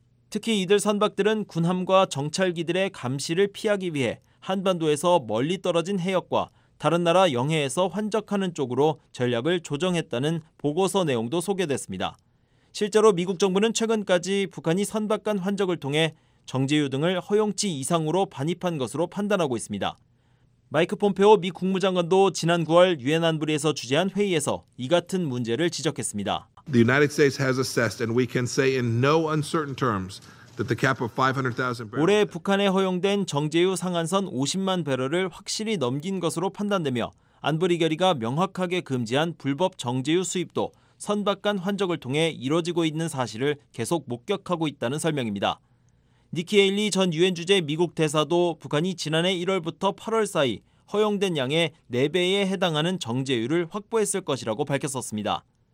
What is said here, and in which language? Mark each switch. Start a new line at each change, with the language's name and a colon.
Korean: 특히 이들 선박들은 군함과 정찰기들의 감시를 피하기 위해 한반도에서 멀리 떨어진 해역과 다른 나라 영해에서 환적하는 쪽으로 전략을 조정했다는 보고서 내용도 소개됐습니다. 실제로 미국 정부는 최근까지 북한이 선박 간 환적을 통해 정제유 등을 허용치 이상으로 반입한 것으로 판단하고 있습니다. 마이크 폼페오 미 국무장관도 지난 9월 유엔 안보리에서 주재한 회의에서 이 같은 문제를 지적했습니다.
English: The United States has assessed and we can say in no uncertain terms that the cap of 500,000 barrels
Korean: 올해 북한에 허용된 정제유 상한선 50만 배럴을 확실히 넘긴 것으로 판단되며 안보리 결의가 명확하게 금지한 불법 정제유 수입도 선박 간 환적을 통해 이뤄지고 있는 사실을 계속 목격하고 있다는 설명입니다. 니키 헤일리 전 유엔 주재 미국 대사도 북한이 지난해 1월부터 8월 사이 허용된 양의 4배에 해당하는 정제유를 확보했을 것이라고 밝혔었습니다.